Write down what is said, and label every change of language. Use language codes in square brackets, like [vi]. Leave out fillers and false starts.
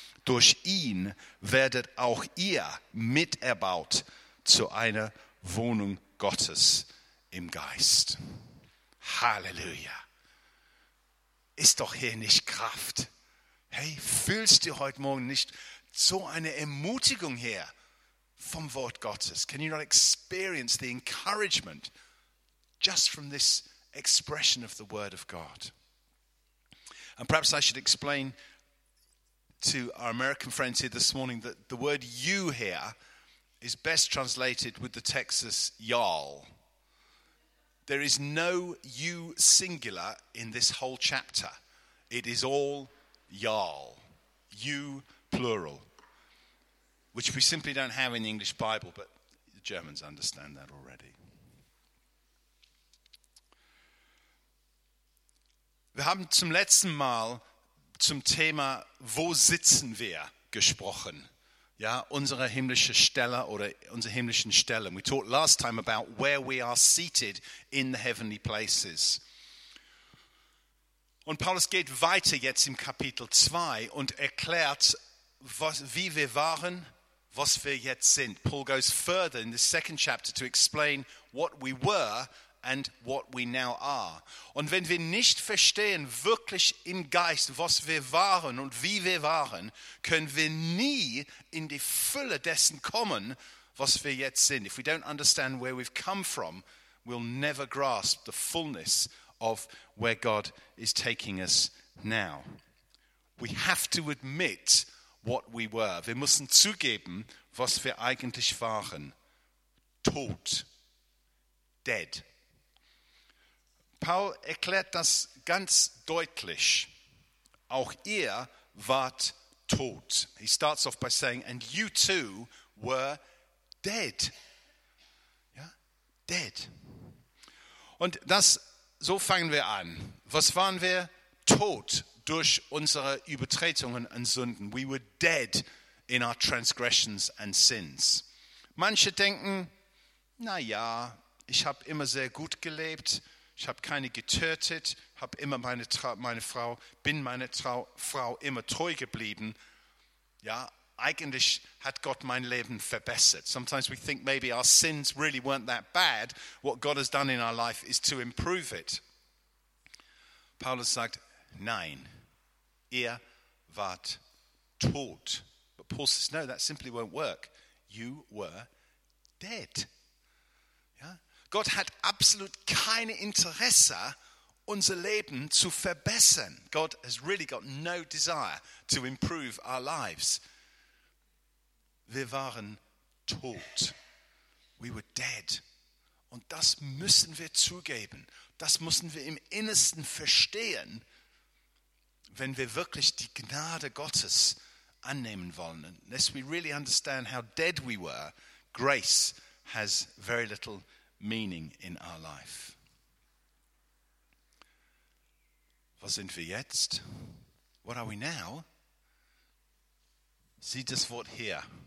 [de] Durch ihn werdet auch ihr miterbaut zu einer Wohnung Gottes im Geist. Halleluja! Ist doch hier nicht Kraft? Hey, fühlst du heute Morgen nicht so eine Ermutigung her vom Wort Gottes? [en] Can you not experience the encouragement just from this expression of the Word of God? And perhaps I should explain to our American friends here this morning that the word you here is best translated with the Texas y'all. There is no you singular in this whole chapter. It is all y'all. You plural. Which we simply don't have in the English Bible, but the Germans understand that already. [de] Wir haben zum letzten Mal zum Thema, wo sitzen wir, gesprochen. Ja, unsere himmlische Stelle oder unsere himmlischen Stellen. [en] We talked last time about where we are seated in the heavenly places. [de] Und Paulus geht weiter jetzt im Kapitel 2 und erklärt, wie wir waren, was wir jetzt sind. [en] Paul goes further in the second chapter to explain what we were and what we now are. [de] Und wenn wir nicht verstehen, wirklich im Geist, was wir waren und wie wir waren, können wir nie in die Fülle dessen kommen, was wir jetzt sind. [en] If we don't understand where we've come from, we'll never grasp the fullness of where God is taking us now. We have to admit what we were. [de] Wir müssen zugeben, was wir eigentlich waren. Tot. [en] Dead. [de] Paul erklärt das ganz deutlich. Auch ihr wart tot. [en] He starts off by saying, and you too were dead. [de] Ja? [en] Dead. [de] Und das, so fangen wir an. Was waren wir? Tot durch unsere Übertretungen und Sünden. [en] We were dead in our transgressions and sins. [de] Manche denken, na ja, ich habe immer sehr gut gelebt. Ich habe keine getötet, habe immer meine Frau immer treu geblieben. Ja, eigentlich hat Gott mein Leben verbessert. [en] Sometimes we think maybe our sins really weren't that bad. What God has done in our life is to improve it. [de] Paulus sagt, nein, ihr wart tot. [en] But Paul says, no, that simply won't work. You were dead. [de] Gott hat absolut kein Interesse, unser Leben zu verbessern. [en] God has really got no desire to improve our lives. [de] Wir waren tot. [en] We were dead. [de] Und das müssen wir zugeben. Das müssen wir im Innersten verstehen, wenn wir wirklich die Gnade Gottes annehmen wollen. [en] Unless we really understand how dead we were, grace has very little meaning in our life. [de] Was sind wir jetzt? [en] What are we now? [de] Sieh das Wort hier.